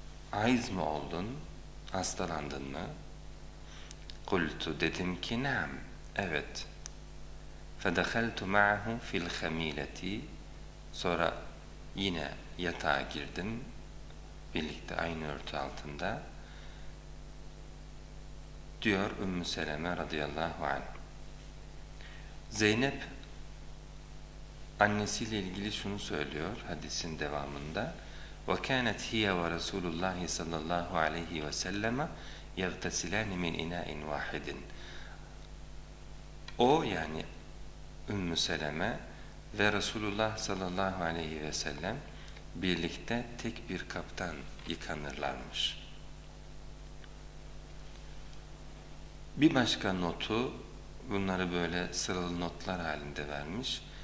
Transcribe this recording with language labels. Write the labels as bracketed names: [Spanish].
[Turkish] Hayz mı oldun? Hastalandın mı? [Arabic] قُلْتُ, [Turkish] dedim ki, [Arabic] نَعَمْ, [Turkish] evet. [Arabic] فَدَخَلْتُ مَعَهُ فِي الْخَم۪يلَةِ, [Turkish] sonra yine yatağa girdim birlikte aynı örtü altında, diyor Ümmü Seleme radıyallahu anh. Zeynep annesiyle ilgili şunu söylüyor hadisin devamında, [Arabic] وَكَانَتْ هِيَ وَرَسُولُ اللّٰهِ صَلَّى اللّٰهُ عَلَيْهِ وَسَلَّمَ يَغْتَسِلَانِ مِنْ اِنَاءٍ وَاحِدٍ. [Turkish] O, yani Ümmü Seleme ve Resulullah sallallahu aleyhi ve sellem birlikte tek bir kaptan yıkanırlarmış. Bir başka notu, bunları böyle sıralı notlar halinde vermiş.